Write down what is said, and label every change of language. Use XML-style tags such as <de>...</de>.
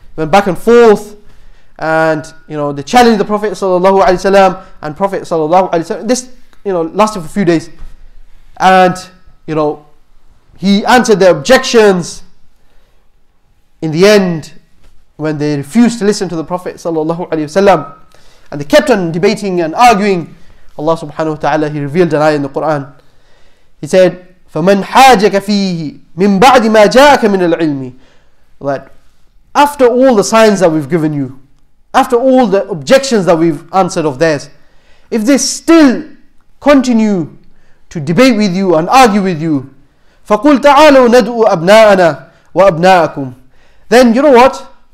<en>Went back and forth, and, you know, they challenged the Prophet sallallahu alaihi wasallam, and Prophet sallallahu alaihi wasallam, this, you know, lasted for a few days, and, you know, he answered their objections. In the end, when they refused to listen to the Prophet sallallahu alaihi wasallam, and they kept on debating and arguing, Allah subhanahu wa ta'ala, he revealed an ayah in the Quran. He said,</en> <ar>فَمَنْ حَاجَكَ فِيهِ مِنْ بَعْدِ مَا جَاءَكَ مِنَ الْعِلْمِ,</ar> <en>that after all the signs that we've given you, after all the objections that we've answered of theirs, if they still continue to debate with you and argue with you,</en> <ar>فَقُلْ تَعَالَوْ نَدْءُ أَبْنَاءَنَا وَأَبْنَاءَكُمْ,</ar> <en>then you know what?</en>